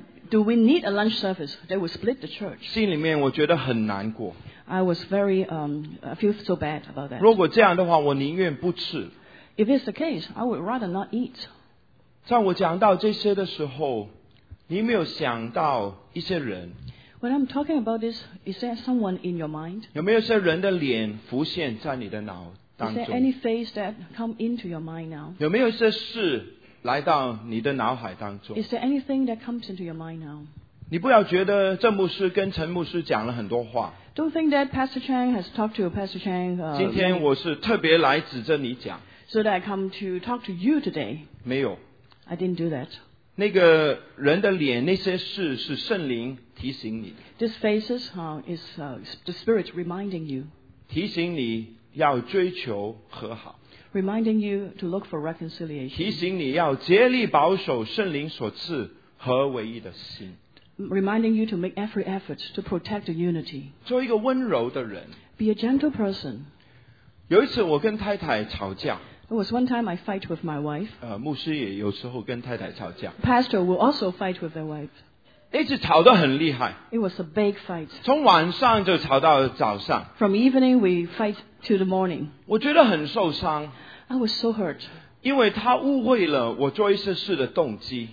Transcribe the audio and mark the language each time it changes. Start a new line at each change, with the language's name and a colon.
English: Do we need a lunch service? They will split the church.
Chinese: 心里面我觉得很难过。
English: I was very feel so bad about that.
Chinese: 如果这样的话，我宁愿不吃。
English: If it's the case, I would rather not eat.
Chinese: 在我讲到这些的时候，你没有想到一些人。
English: When I'm talking about this, is there someone in your mind?
Chinese: 有没有一些人的脸浮现在你的脑当中？
English: Is there any face that come into your mind now?
Chinese: 有没有一些事来到你的脑海当中？
English: Is there anything that comes into your mind now?
Chinese: 你不要觉得郑牧师跟陈牧师讲了很多话。
English: Don't think that Pastor Chang has talked to Pastor Chang.
Chinese: 今天我是特别来指着你讲。
English: So that I come to talk to you today.
Chinese: 没有。
English: I didn't do that.
Chinese: 那个人的脸，那些事是圣灵提醒你。
English: These faces, the Spirit reminding you.
Chinese: 提醒你要追求和好。
English: Reminding you to look for reconciliation.
Chinese: 提醒你要竭力保守圣灵所赐合为一的心。
English: Reminding you to make every effort to protect the unity.
Chinese: 做一个温柔的人。
English: Be a gentle person.
Chinese: 有一次我跟太太吵架。
English: It was one time I fight with my wife.
Chinese: 牧师也有时候跟太太吵架。
English: Pastor will also fight with their wife.
Chinese: 一直吵得很厉害。
English: It was a big fight.
Chinese: 从晚上就吵到早上。
English: From evening we fight to the morning.
Chinese: 我觉得很受伤。
English: I was so hurt.
Chinese: 因为她误会了我做一些事的动机。